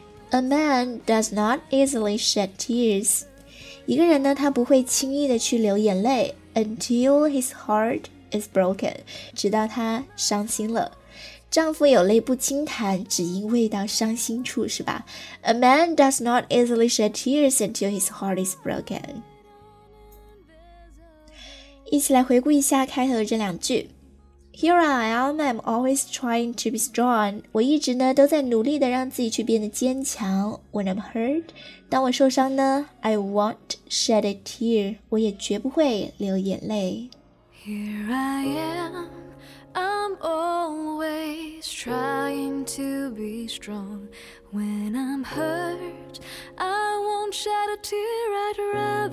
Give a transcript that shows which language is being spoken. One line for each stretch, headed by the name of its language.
English: A man does not easily shed tears.
Chinese: 一个人呢，他不会轻易的去流眼泪，
English: until his heart is broken，
Chinese: 直到他伤心了。丈夫有泪不轻弹，只因未到伤心处，是吧？
English: A man does not easily shed tears until his heart is broken.
Chinese: 一起来回顾一下开头的这两句。
English: Here I am, I'm always trying to be strong.
Chinese: 我一直呢都在努力的让自己去变得坚强。
English: When I'm hurt,
Chinese: 当我受伤呢，
English: I won't shed a tear.
Chinese: 我也绝不会流眼泪。
English: Here I am, I'm always trying to be strong. When I'm hurt, I won't shed a tear.